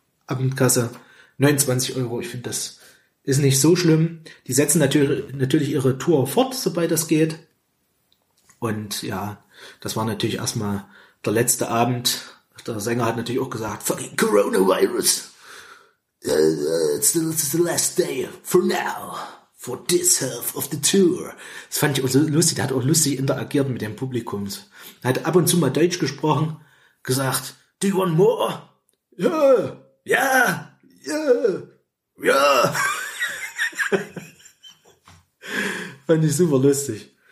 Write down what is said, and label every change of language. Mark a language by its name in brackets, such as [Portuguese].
[German] Abendkasse 29 Euro. Ich finde, das ist nicht so schlimm. Die setzen natürlich ihre Tour fort, sobald das geht. Und ja, das war natürlich erstmal der letzte Abend. Der Sänger hat natürlich auch gesagt, [English] fucking Coronavirus. It's the last day for now. For this half of the tour. [German] Das fand ich auch so lustig. Der hat auch lustig interagiert mit dem Publikum. Er hat ab und zu mal Deutsch gesprochen. Gesagt, [English] do you want more? Yeah. Yeah. Yeah. Yeah. [German] Fand ich super lustig.